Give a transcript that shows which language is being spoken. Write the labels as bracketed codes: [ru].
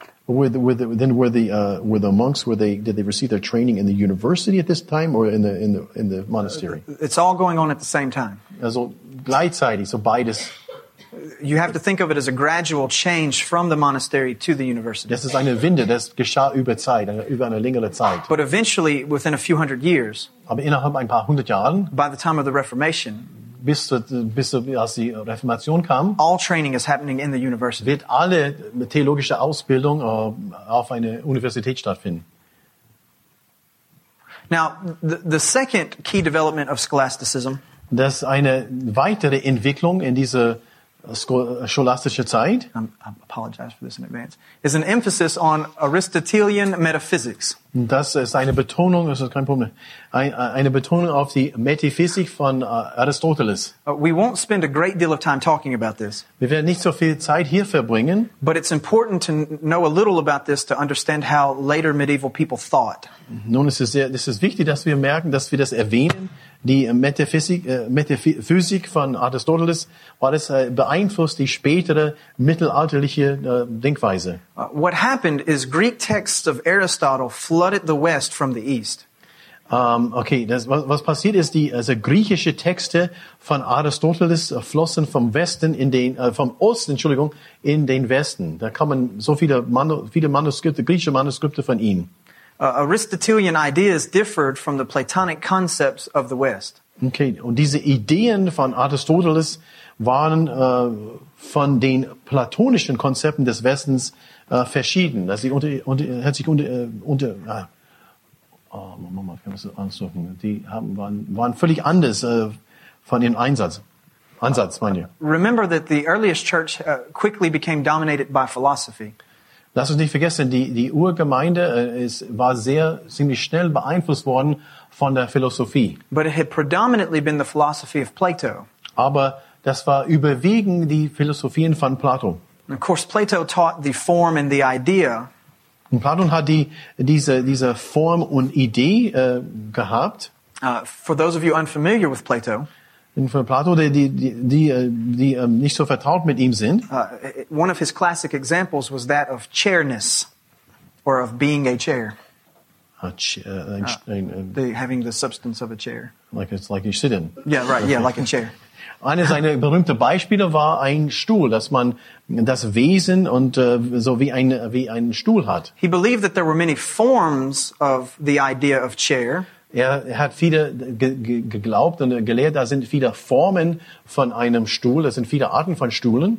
[en] Were the monks, did they receive their training in the university at this time or in the monastery? It's all going on at the same time. [de] Also gleichzeitig, so beides. [en] You have to think of it as a gradual change from the monastery to the university. [de] Das ist eine Wende, das geschah über Zeit, über eine längere Zeit. [en] But eventually, within a few hundred years, [de] aber innerhalb ein paar hundert Jahren, [en] by the time of the Reformation, [de] bis die Reformation kam, [en] all training is happening in the university. [de] Wird alle theologische Ausbildung auf eine Universität stattfinden. [en] Now, the second key development of Scholasticism, [de] das ist eine weitere Entwicklung in dieser scholastische Zeit. [en] I apologize for this in advance. Is an emphasis on Aristotelian metaphysics. [de] Das ist eine Betonung. Das ist kein Problem. Eine Betonung auf die Metaphysik von Aristoteles. [en] We won't spend a great deal of time talking about this. [de] Wir werden nicht so viel Zeit hier verbringen. [en] But it's important to know a little about this to understand how later medieval people thought. [de] Nun ist es sehr. Das ist wichtig, dass wir merken, dass wir das erwähnen. Die Metaphysik von Aristoteles war das beeinflusst die spätere mittelalterliche Denkweise. [en] What happened is Greek texts of Aristotle flooded the West from the East. [de] Was passiert ist, also griechische Texte von Aristoteles flossen vom Westen in den Westen. Da kamen so viele Manuskripte, griechische Manuskripte von ihm. [en] Aristotelian ideas differed from the Platonic concepts of the West. [de] Okay, und diese Ideen von Aristoteles waren von den platonischen Konzepten des Westens verschieden. Also sie waren völlig anders von ihrem Einsatz. Ansatz, meine. [en] Remember that the earliest church quickly became dominated by philosophy. [de] Lass uns nicht vergessen, die Urgemeinde war sehr ziemlich schnell beeinflusst worden von der Philosophie. [en] But it had predominantly been the philosophy of Plato. [de] Aber das war überwiegend die Philosophien von Plato. [en] And of course, Plato taught the form and the idea. [de] Und Plato hat diese Form und Idee gehabt. [en] For those of you unfamiliar with Plato. [de] Und für Plato, die nicht so vertraut mit ihm sind. [en] One of his classic examples was that of chairness, or of being a chair. Having the substance of a chair. Like it's like you sit in. Yeah, right. Yeah, like a chair. [de] Eines seiner berühmten Beispiele war ein Stuhl, dass man das Wesen und so wie einen Stuhl hat. [en] He believed that there were many forms of the idea of chair. [de] Er hat viele geglaubt und gelehrt, da sind viele Formen von einem Stuhl, es sind viele Arten von Stühlen.